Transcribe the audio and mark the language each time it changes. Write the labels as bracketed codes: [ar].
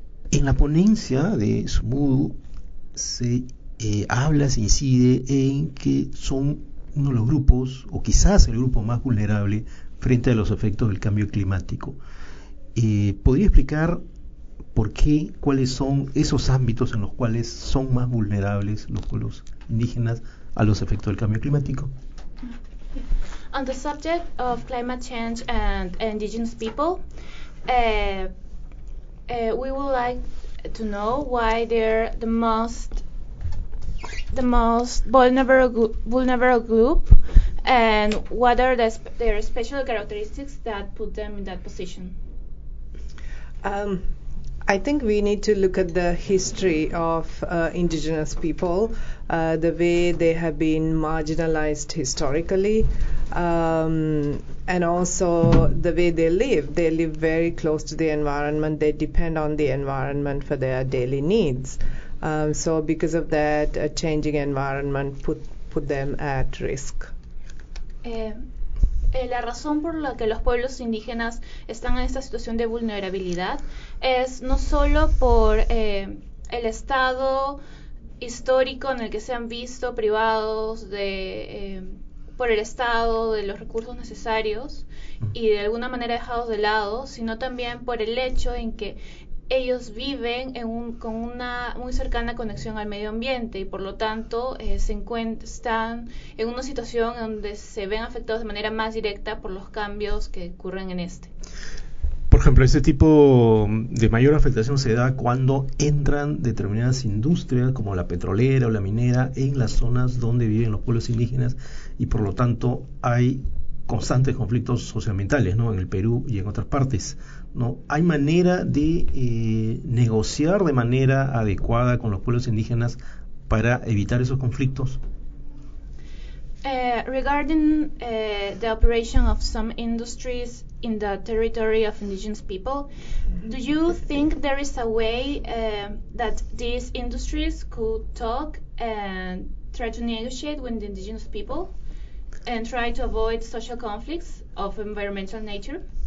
[es] En la ponencia de Sumudo se habla, se incide en que son uno de los grupos, o quizás el grupo más vulnerable frente a los efectos del cambio climático. ¿Podría explicar por qué, cuáles son esos ámbitos en los cuales son más vulnerables los pueblos indígenas a los efectos del cambio climático? [en] On the subject of climate change and indigenous people, we would like to know why they're the most vulnerable group and what are their special characteristics that put them in that position. I think we need to look at the history of indigenous people, the way they have been marginalized historically, and also the way they live. They live very close to the environment. They depend on the environment for their daily needs. So because of that, a changing environment put them at risk. [es] La razón por la que los pueblos indígenas están en esta situación de vulnerabilidad es no solo por el estado histórico en el que se han visto privados de por el estado de los recursos necesarios y de alguna manera dejados de lado, sino también por el hecho en que ellos viven en con una muy cercana conexión al medio ambiente y por lo tanto están en una situación donde se ven afectados de manera más directa por los cambios que ocurren en este. Por ejemplo, ese tipo de mayor afectación se da cuando entran determinadas industrias como la petrolera o la minera en las zonas donde viven los pueblos indígenas y por lo tanto hay constantes conflictos socioambientales, ¿no? En el Perú y en otras partes, ¿no? ¿Hay manera de negociar de manera adecuada con los pueblos indígenas para evitar esos conflictos? [en] Regarding the operation of some industries in the territory of indigenous people, do you think there is a way that these industries could talk and try to negotiate with the indigenous people and try to avoid social conflicts of environmental nature?